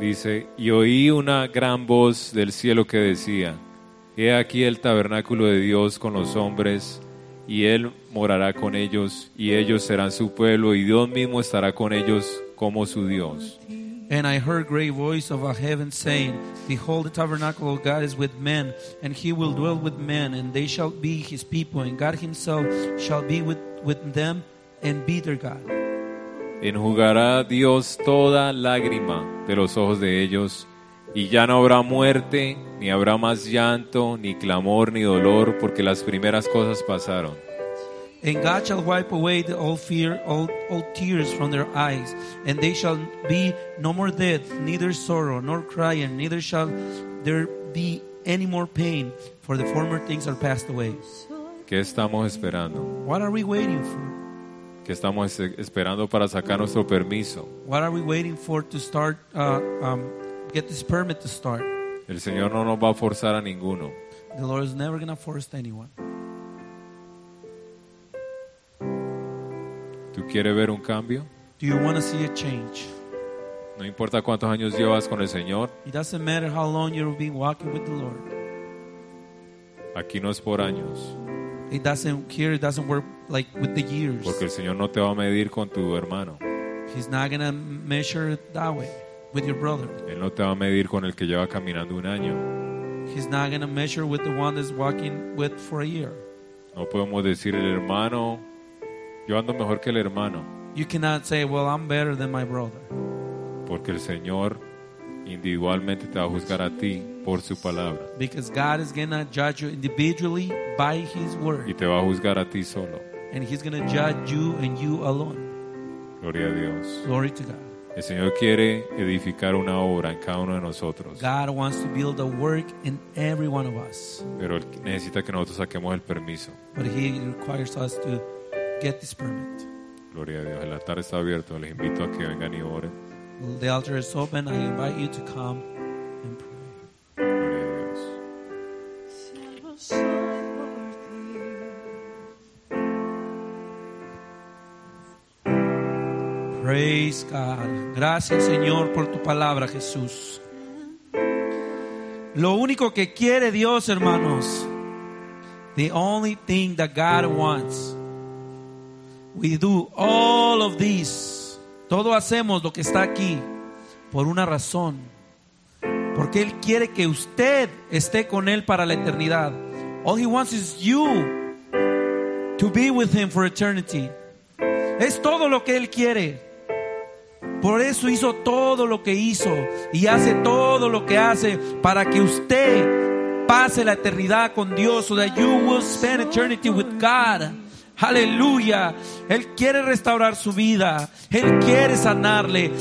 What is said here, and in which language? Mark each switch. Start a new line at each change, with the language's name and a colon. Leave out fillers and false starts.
Spanish: Dice, y oí una gran voz del cielo que decía, he aquí el tabernáculo de Dios con los hombres, y Él morará con ellos, y ellos serán su pueblo, y Dios mismo estará con ellos como su Dios.
English: And I heard a great voice of a heaven saying, behold, the tabernacle of God is with men, and he will dwell with men, and they shall be his people, and God himself shall be with them and be their God.
Spanish: Enjugará Dios toda lágrima de los ojos de ellos, y ya no habrá muerte, ni habrá más llanto, ni clamor, ni dolor, porque las primeras cosas pasaron.
English: And God shall wipe away all fear, all tears from their eyes. And they shall be no more death, neither sorrow, nor crying, neither shall there be any more pain, for the former things are passed away.
Spanish: ¿Qué estamos esperando?
English: What are we waiting for?
Spanish: ¿Qué estamos esperando para sacar nuestro permiso?
English: What are we waiting for to start, get this permit to start?
Spanish: El Señor no nos va a forzar a ninguno.
English: The Lord is never going to force anyone.
Spanish: ¿Tú quieres ver un cambio?
English: Do you want to see a change?
Spanish: No importa cuántos años llevas con el Señor.
English: It doesn't matter how long you've been walking with the Lord.
Spanish: Aquí no es por años.
English: It doesn't work like with the years.
Spanish: Porque el Señor no te va a medir con tu hermano.
English: He's not gonna measure it that way with your brother.
Spanish: Él no te va a medir con el que lleva caminando un año.
English: He's not gonna measure with the one that's walking with for a year.
Spanish: No podemos decir el hermano. Yo ando mejor que el hermano.
English: You cannot say, well, I'm better than my brother.
Spanish: Porque el Señor individualmente te va a juzgar a ti por su palabra.
English: Because God is going to judge you individually by his word.
Spanish: Y te va a juzgar a ti solo.
English: And he's going to judge you and you alone.
Spanish: Gloria a Dios.
English: Glory to God.
Spanish: El Señor quiere edificar una obra en cada uno de nosotros.
English: God wants to build a work in every one of us.
Spanish: Pero él necesita que nosotros saquemos el permiso.
English: But he requires us to get this permit.
Spanish: Gloria a Dios. El altar está abierto. Les invito a que vengan y oren.
English: The altar is open. I invite you to come and pray.
Spanish: Gloria a Dios.
English: Praise God.
Spanish: Gracias, Señor, por tu palabra, Jesús. Lo único que quiere Dios, hermanos,
English: the only thing that God wants, we do all of this.
Spanish: Todo hacemos lo que está aquí por una razón. Porque Él quiere que usted esté con Él para la eternidad.
English: All He wants is you to be with Him for eternity.
Spanish: Es todo lo que Él quiere. Por eso hizo todo lo que hizo y hace todo lo que hace para que usted pase la eternidad con Dios.
English: So that you will spend eternity with God.
Spanish: Aleluya. Él quiere restaurar su vida. Él quiere sanarle.